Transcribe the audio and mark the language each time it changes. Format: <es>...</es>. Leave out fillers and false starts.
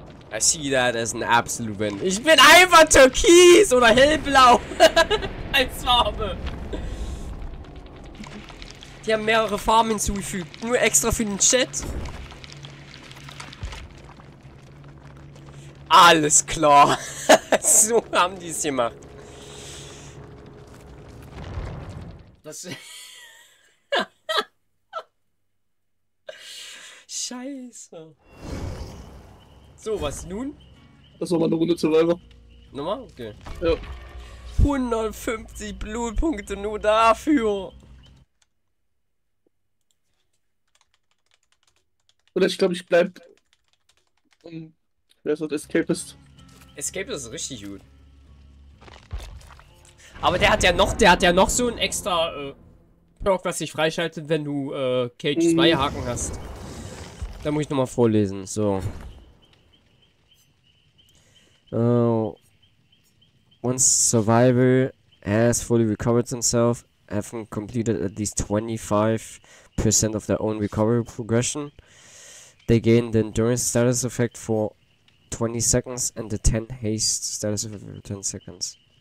<en>I see that as an absolute win.</en> <de>Ich bin einfach türkis oder hellblau als Farbe. Die haben mehrere Farben hinzugefügt, nur extra für den Chat. Alles klar. So haben die es gemacht. Das Scheiße. So, was nun? Das war mal eine Runde Survivor. Nochmal? Okay. Ja. 150 Blutpunkte nur dafür. Oder ich glaube, ich bleib. Wer ist das Escapist? Escapist ist richtig gut. Aber der hat ja noch so ein extra Perk, was sich freischaltet, wenn du Cage 2 Haken hast. Da muss ich nochmal vorlesen. So.</de> <en>Once survivor has fully recovered himself, having completed at least 25% of their own recovery progression, they gain the endurance status effect for 20 seconds and the 10 haste status effect for 10 seconds.</en>